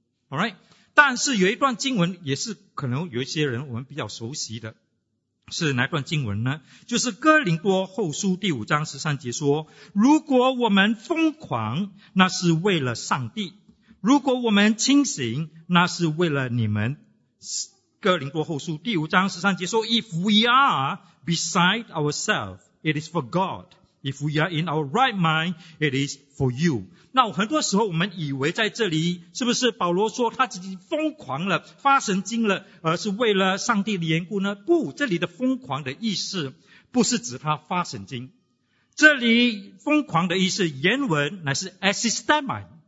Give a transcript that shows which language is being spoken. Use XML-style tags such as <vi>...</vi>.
<zh>Alright， 但是有一段经文也是可能有一些人我们比较熟悉的，是哪段经文呢？就是哥林多后书第五章十三节说，如果我们疯狂，那是为了上帝，如果我们清醒，那是为了你们。哥林多后书第五章十三节说，</zh> <en>If we are beside ourselves,It is for God. If we are in our right mind, it is for you.</en> <zh>那很多时候我们以为在这里，是不是保罗说他自己疯狂了，发神经了，而是为了上帝的缘故呢？不，这里的疯狂的意思不是指他发神经。这里疯狂的意思原文乃是 asystemai。</zh>